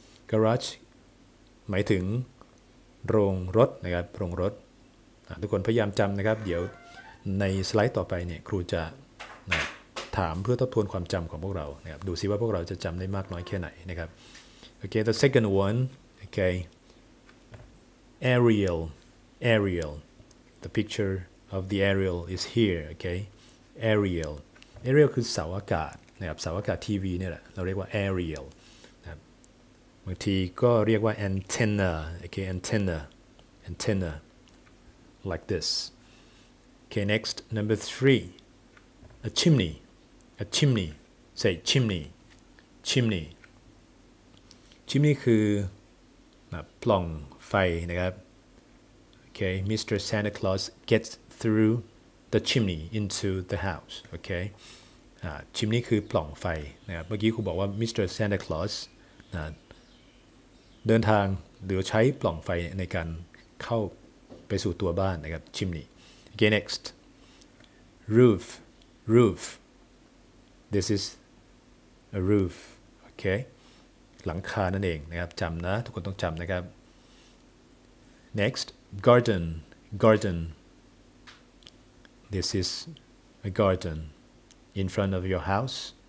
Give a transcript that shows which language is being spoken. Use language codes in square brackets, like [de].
[th] Garage หมายถึงโรงรถนะครับโรงรถทุกคนพยายามจำนะครับเดี๋ยวในสไลด์ต่อไปเนี่ยครูจะถามเพื่อทบทวนความจำของพวกเรานะครับดูซิว่าพวกเราจะจำได้มากน้อยแค่ไหนนะครับ [en] Okay, the second one. Okay. Aerial. Aerial. The picture of the aerial is here, okay? Aerial. [th] Aerial คือเสาอากาศนะครับเสาอากาศทีวีเนี่ยแหละเราเรียกว่า aerial นะบางทีก็เรียกว่า antenna, [en] okay? Antenna. Antenna. Like this. Okay, next, number three. A chimney. A chimney. Say chimney. Chimney. [th] Chimney คือปล่องไฟนะครับ [en] Okay, Mr. Santa Claus gets through the chimney into the house. [th] Okay, chimney คือปล่องไฟนะครับเมื่อกี้ครูบอกว่า Mr. Santa Claus เดินทางหรือใช้ปล่องไฟในการเข้าไปสู่ตัวบ้านนะครับ chimney. [en] Okay, next, roof, roof. This is a roof. Okay, [th] หลังคานั่นเองนะครับจำนะทุกคนต้องจำนะครับ next. [en] Garden, garden. This is a garden in front of your house.